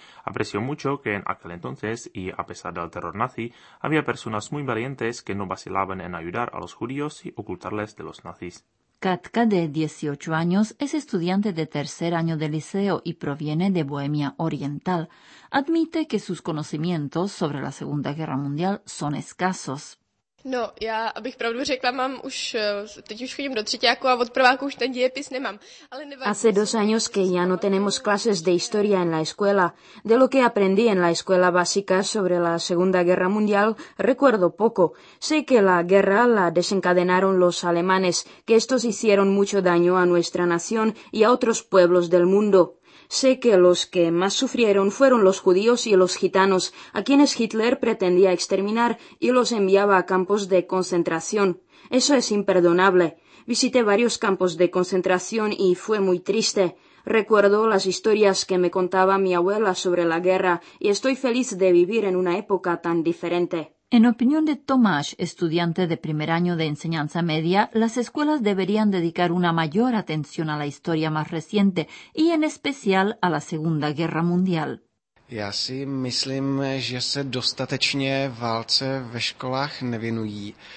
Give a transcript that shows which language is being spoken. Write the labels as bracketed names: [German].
[Spanish] Aprecio mucho que en aquel entonces, y a pesar del terror nazi, había personas muy valientes que no vacilaban en ayudar a los judíos y ocultarles de los nazis. Katka, de 18 años, es estudiante de tercer año de liceo y proviene de Bohemia Oriental. Admite que sus conocimientos sobre la Segunda Guerra Mundial son escasos. [Czech] No, ya, abych pravdu řekla, mám už, teď už chodím do třetíku a od prváku už ten dějepis nemám. [Spanish] Hace dos años que ya no tenemos clases de historia en la escuela. De lo que aprendí en la escuela básica sobre la Segunda Guerra Mundial, recuerdo poco. Sé que la guerra la desencadenaron los alemanes, que estos hicieron mucho daño a nuestra nación y a otros pueblos del mundo. Sé que los que más sufrieron fueron los judíos y los gitanos, a quienes Hitler pretendía exterminar y los enviaba a campos de concentración. Eso es imperdonable. Visité varios campos de concentración y fue muy triste. Recuerdo las historias que me contaba mi abuela sobre la guerra y estoy feliz de vivir en una época tan diferente. En opinión de Tomáš, estudiante de primer año de enseñanza media, las escuelas deberían dedicar una mayor atención a la historia más reciente y en especial a la Segunda Guerra Mundial. [Czech] Já si myslím, že se dostatečně válce ve školách nevěnují.